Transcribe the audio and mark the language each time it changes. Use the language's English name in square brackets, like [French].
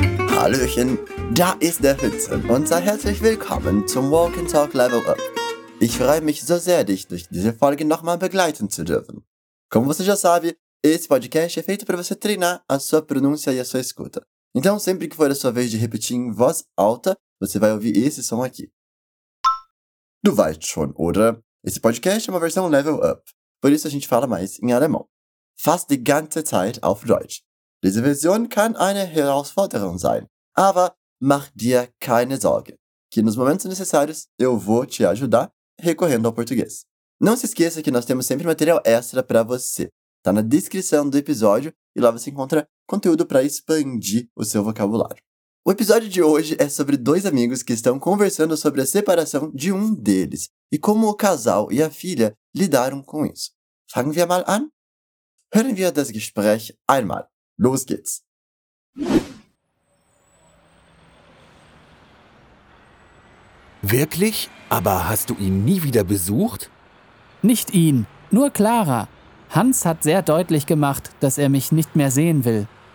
[German] Hallöchen, da ist der Hützen und sei herzlich willkommen zum Walk and Talk Level Up. Ich freue mich so sehr, dich durch diese Folge nochmal begleiten zu dürfen. [Portuguese] Como você já sabe, esse podcast é feito para você treinar a sua pronúncia e a sua escuta. Então, sempre que for a sua vez de repetir em voz alta, você vai ouvir esse som aqui. [German] Du weißt schon, oder? [Portuguese] Esse podcast é uma versão Level Up, por isso a gente fala mais em alemão. [German] Fast die ganze Zeit auf Deutsch. Diese Version kann eine Herausforderung sein, aber mach dir keine Sorge, [Portuguese] que nos momentos necessários eu vou te ajudar recorrendo ao português. Não se esqueça que nós temos sempre material extra para você. Tá na descrição do episódio e lá você encontra conteúdo para expandir o seu vocabulário. O episódio de hoje é sobre dois amigos que estão conversando sobre a separação de um deles e como o casal e a filha lidaram com isso. [German] Fangen wir mal an? Hören wir das Gespräch einmal. Los geht's! Wirklich? Aber hast du ihn nie wieder besucht? Nicht ihn, nur Clara. Hans hat sehr deutlich gemacht, dass er mich nicht mehr sehen will.